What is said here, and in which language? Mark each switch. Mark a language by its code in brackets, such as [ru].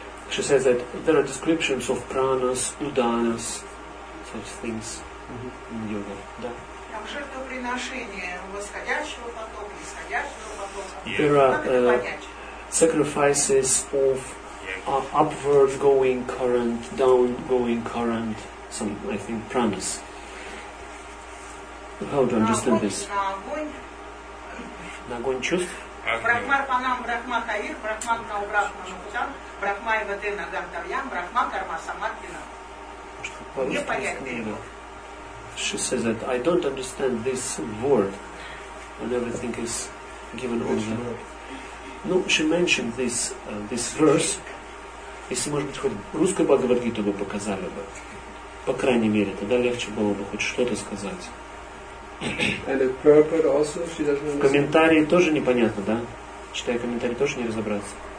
[en] She says that there are descriptions of pranas, udanas, such things in yoga. [ru] Да. Там жертвоприношение восходящего потока, нисходящего потока. [en] There are sacrifices of upward going current, down going current, some, I think, pranas. How to understand this? [ru] На огонь чувств? [sa] Брахмар панам, брахма таир, брахма нау, брахма нутян, брахма и ваде на гантавьян, брахма карма самаркина. [ru] Непонятный его. [en] She says that I don't understand this word and everything is given on the word. No, she mentioned this this verse. [ru] Если, может быть, хоть русскую Бхагавад-гиту бы показали бы, по крайней мере, тогда легче было бы хоть что-то сказать. В комментарии тоже непонятно, да? Читая комментарии, тоже не разобраться.